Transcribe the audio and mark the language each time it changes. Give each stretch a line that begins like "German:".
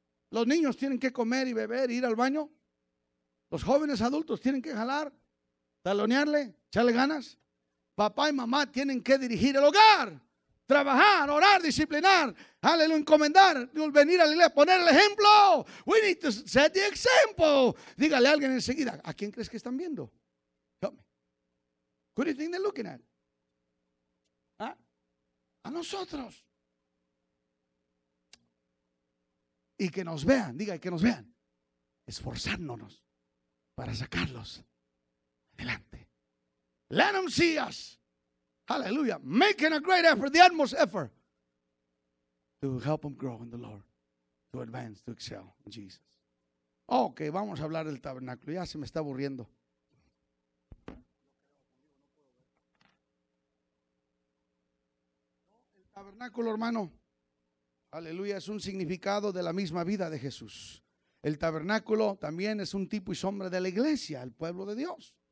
Spanish: Los niños tienen que comer y beber, ir al baño. Los jóvenes adultos tienen que jalar, talonearle, echarle ganas. Papá y mamá tienen que dirigir el hogar, trabajar, orar, disciplinar, aleluya, encomendar, venir a la iglesia, poner el ejemplo.
English: We need to set the example.
Spanish: Dígale a alguien enseguida, ¿a quién crees que están viendo?
English: Help me. Who do you think they're looking at?
Spanish: A nosotros. Y que nos vean, diga, que nos vean, esforzándonos para sacarlos adelante.
English: Let them see us. Hallelujah. Making a great effort, the utmost effort to help them grow in the Lord, to advance, to excel in Jesus.
Spanish: Ok, vamos a hablar del tabernáculo. Ya se me está aburriendo. Tabernáculo, hermano, aleluya, es un significado de la misma vida de Jesús. El tabernáculo también es un tipo y sombra de la iglesia, el pueblo de Dios.